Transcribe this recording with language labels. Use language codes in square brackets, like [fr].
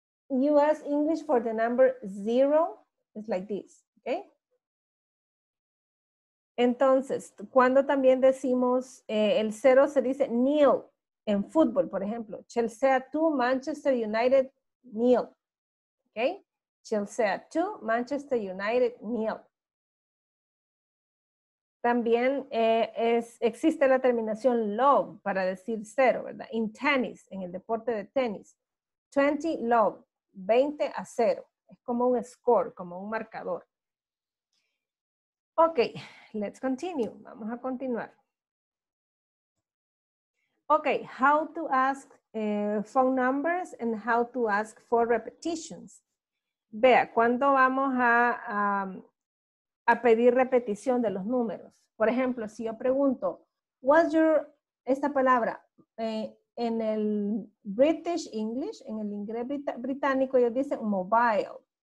[en] US English for the number zero is like this, okay? [es] Entonces, cuando también decimos el cero se dice nil en fútbol, por ejemplo. [en] Chelsea 2, Manchester United, nil. Okay? Chelsea 2, Manchester United, nil. [es] También existe la terminación love para decir cero, ¿verdad? [en] In tennis, [es] en el deporte de tenis. 20 love, 20 a cero. Es como un score, como un marcador. Ok, [en] let's continue. [es] Vamos a continuar. [en] Ok, how to ask phone numbers and how to ask for repetitions. [es] Vea, ¿cuándo vamos a pedir repetición de los números? Por ejemplo, si yo pregunto, [en] what's your, [es] esta palabra, en el British English, en el inglés británico, ellos dicen mobile.